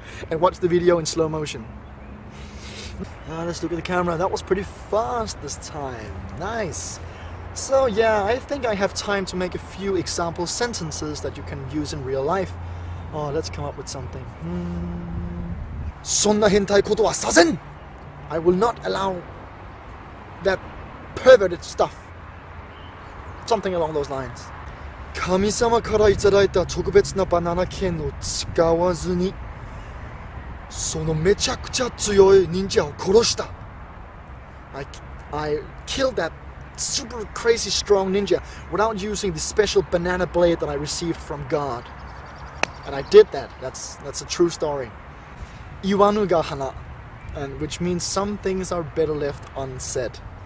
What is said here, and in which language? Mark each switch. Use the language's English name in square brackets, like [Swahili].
[English] And watch the video in slow motion. Let's look at the camera. That was pretty fast this time. Nice. So yeah, I think I have time to make a few example sentences that you can use in real life. Oh, let's come up with something. [Japanese] そんな変態ことはさせん! [English] I will not allow that perverted stuff. Something along those lines. [Japanese] 神様からいただいた特別なバナナ剣を使わずに そのめちゃくちゃ強い忍者を殺した! [English] I killed that super crazy strong ninja without using the special banana blade that I received from God. And I did that. That's a true story. [Japanese] 言わぬが花, [English] and which means some things are better left unsaid.